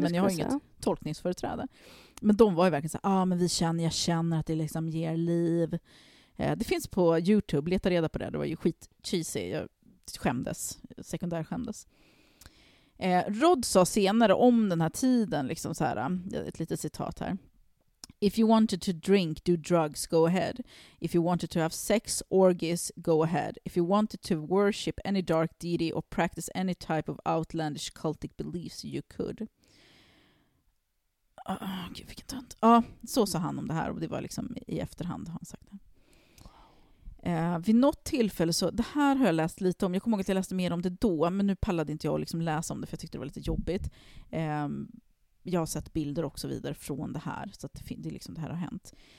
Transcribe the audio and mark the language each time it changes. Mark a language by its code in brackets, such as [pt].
[sv] Men jag har inget tolkningsföreträde. Men de var ju verkligen så här, men jag känner att det liksom ger liv. Det finns på YouTube, leta reda på det. Det var ju skit cheesy, jag skämdes, sekundär skämdes. Rod sa senare om den här tiden, liksom så här, ett litet citat här. [en] If you wanted to drink, do drugs, go ahead. If you wanted to have sex, orgies, go ahead. If you wanted to worship any dark deity or practice any type of outlandish cultic beliefs, you could. [sv] Gud, vilken tönt. Ja, så sa han om det här, och det var liksom i efterhand han sagt det. Vid något tillfälle, så det här har jag läst lite om. Jag kommer ihåg att jag läste mer om det då, men nu pallade inte jag liksom läsa om det, för jag tyckte det var lite jobbigt. Jag har sett bilder och så vidare från det här, så att det liksom det här har hänt.